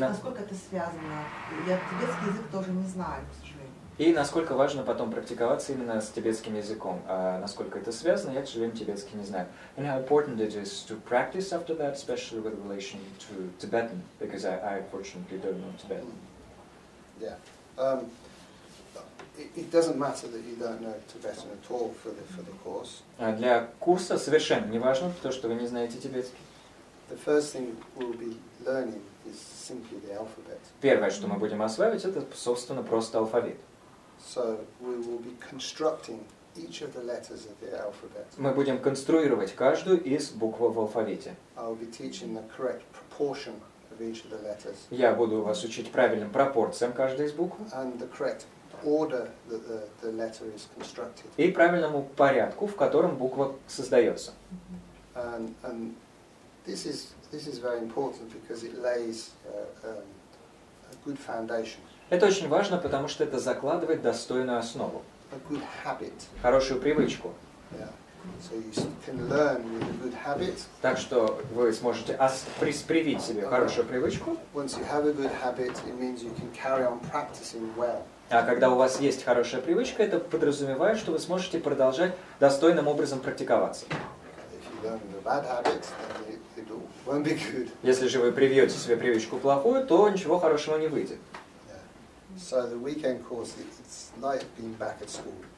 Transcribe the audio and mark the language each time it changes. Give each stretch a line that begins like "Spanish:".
Russian: Насколько это связано? Я тибетский язык тоже не знаю, к сожалению. И насколько важно потом практиковаться именно с тибетским языком? Насколько это связано, я, к сожалению, тибетский не знаю.
English: And how important it is to practice after that, especially with relation to Tibetan, because I fortunately don't know Tibetan. Yeah. It doesn't matter that you don't know Tibetan at all for the course.
Russian: Для курса совершенно не важно то, что вы не знаете тибетский.
English: The first thing we'll be learning is simply the alphabet.
Russian: Первое, что мы будем осваивать, это, собственно, просто алфавит.
English: So we will be constructing each of the letters of the alphabet.
Russian: Мы будем конструировать каждую из букв в алфавите.
English: I will be teaching the correct proportion of each of the letters.
Russian: Я буду вас учить правильным пропорциям каждой из букв.
English: And the correct order that the letter is constructed.
Russian: И правильному порядку, в котором буква создается.
English: And this is very important because it lays a good foundation.
Russian: Это очень важно, потому что это закладывает достойную основу.
English: A good habit.
Russian: Хорошую привычку.
English: Yeah. So you can learn with a good habit.
Russian: Так что вы сможете привить себе хорошую привычку.
English: Once you have a good habit, it means you can carry on practicing well.
Russian: А когда у вас есть хорошая привычка, это подразумевает, что вы сможете продолжать достойным образом практиковаться.
English: If you learn with a bad habit, then it won't be good.
Russian: Если же вы привьете себе привычку плохую, то ничего хорошего не выйдет.
English: So the weekend course, it's like being back at school.